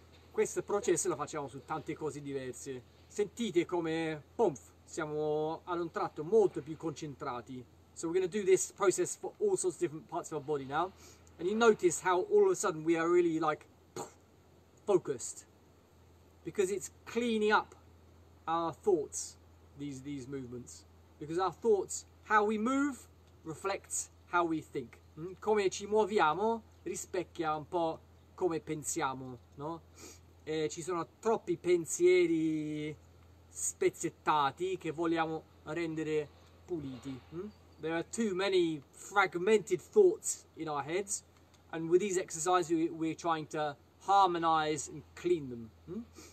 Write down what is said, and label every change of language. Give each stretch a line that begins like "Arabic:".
Italian: Questo processo lo facciamo su tante cose diverse. Sentite come pomf, siamo ad un tratto molto più concentrati.
English: So we're going to do this process for all sorts of different parts of our body now. And you notice how all of a sudden we are really like focused. Because it's cleaning up our thoughts, these movements. Because our thoughts, how we move, reflects how we think.
Italian: Come ci muoviamo rispecchia un po' come pensiamo, no? E ci sono troppi pensieri spezzettati che vogliamo rendere puliti.
English: There are too many fragmented thoughts in our heads, and with these exercises we're trying to harmonize and clean them.